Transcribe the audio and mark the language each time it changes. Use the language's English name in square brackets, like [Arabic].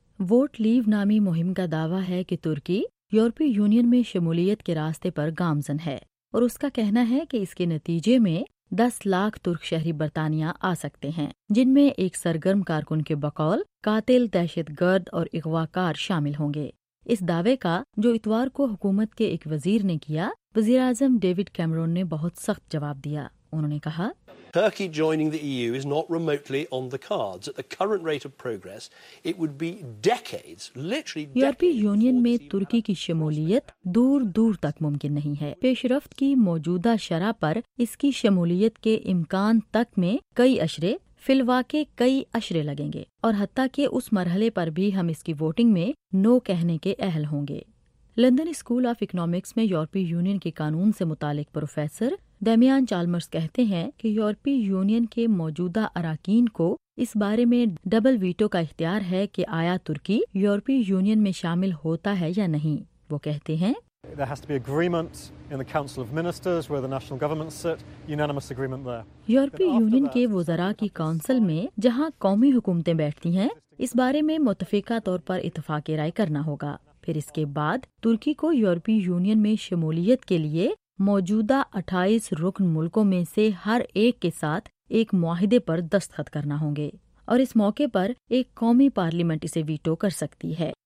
[Urdu] Vote لیو نامی مہم کا دعویٰ ہے کہ ترکی یورپی یونین میں شمولیت کے راستے پر گامزن ہے، اور اس کا کہنا ہے کہ اس کے نتیجے میں 10 لاکھ ترک شہری برطانیہ آ سکتے ہیں، جن میں ایک سرگرم کارکن کے بقول قاتل، دہشت گرد اور اغواکار شامل ہوں گے۔ اس دعوے کا، جو اتوار کو حکومت کے ایک وزیر نے کیا، وزیراعظم ڈیوڈ کیمرون نے بہت سخت جواب دیا۔ انہوں نے کہا، [English] Turkey joining the EU is not remotely on the cards. At the current rate of progress, it would be decades, literally decades. [Urdu] یورپی یونین میں ترکی کی شمولیت دور دور تک ممکن نہیں ہے. پیش رفت کی موجودہ شرح پر اس کی شمولیت کے امکان تک میں کئی عشرے فی الواقع کئی عشرے لگیں گے اور حتیٰ کہ اس مرحلے پر بھی ہم اس کی ووٹنگ میں نو کہنے کے اہل ہوں گے. لندن اسکول آف اکنامکس میں یورپی یونین کے قانون سے متعلق پروفیسر دیمیان چالمرز کہتے ہیں کہ یورپی یونین کے موجودہ اراکین کو اس بارے میں ڈبل ویٹو کا اختیار ہے کہ آیا ترکی یورپی یونین میں شامل ہوتا ہے یا نہیں. وہ کہتے ہیں [English] There has to be agreement in the Council of Ministers where the national governments sit, unanimous agreement there. [Urdu] یورپی یونین کے وزراء کی کونسل میں جہاں قومی حکومتیں بیٹھتی ہیں اس بارے میں متفقہ طور پر اتفاق رائے کرنا ہوگا. پھر اس کے بعد ترکی کو یورپی یونین میں شمولیت کے لیے موجودہ 28 رکن ملکوں میں سے ہر ایک کے ساتھ ایک معاہدے پر دستخط کرنا ہوں گے اور اس موقع پر ایک قومی پارلیمنٹ اسے ویٹو کر سکتی ہے.